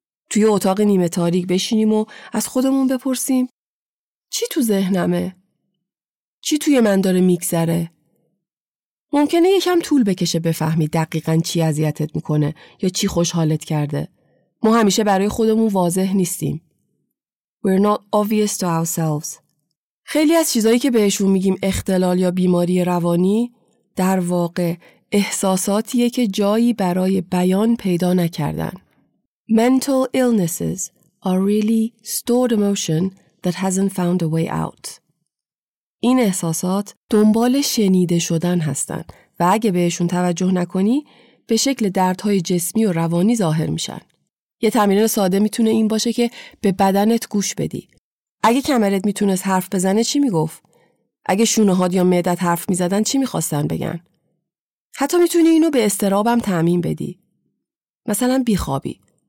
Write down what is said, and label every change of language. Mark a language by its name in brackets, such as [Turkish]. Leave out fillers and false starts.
[Persian] توی اتاق نیمه تاریک بشینیم و از خودمون بپرسیم چی تو ذهنمه؟ چی توی من داره میگذره؟ ممکنه یکم طول بکشه بفهمی دقیقاً چی اذیتت میکنه یا چی خوشحالت کرده. ما همیشه برای خودمون واضح نیستیم. [English] We're not obvious to ourselves. [Persian] خیلی از چیزایی که بهشون میگیم اختلال یا بیماری روانی در واقع احساساتیه که جایی برای بیان پیدا نکردن. [English] Mental illnesses are really stored emotion that hasn't found a way out. [Persian] این احساسات دنبال شنیده شدن هستن و اگه بهشون توجه نکنی به شکل دردهای جسمی و روانی ظاهر میشن. یه تمرین ساده میتونه این باشه که به بدنت گوش بدی. اگه کمرت میتونست حرف بزنه چی میگفت؟ اگه شونهات یا معدت حرف میزدن چی میخواستن بگن؟ حتی میتونی اینو به استرابم تعمیم بدی. مثلا بیخوابی.